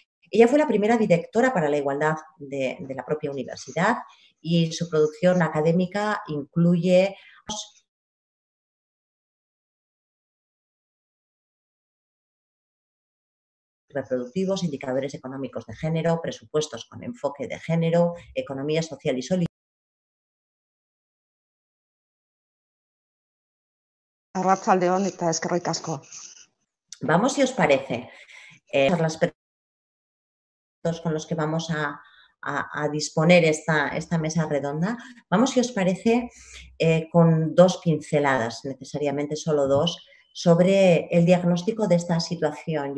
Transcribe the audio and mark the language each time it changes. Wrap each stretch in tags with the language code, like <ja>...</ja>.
<es>Ella fue la primera directora para la igualdad de la propia universidad y su producción académica incluye... reproductivos, indicadores económicos de género, presupuestos con enfoque de género, economía social y solidaridad.</es> <eu>Arratsaldeon eta eskerrik asko.</eu> <es>Vamos, si os parece, las personas con los que vamos a disponer esta mesa redonda, vamos, si os parece, con dos pinceladas, necesariamente solo dos, sobre el diagnóstico de esta situación.</es>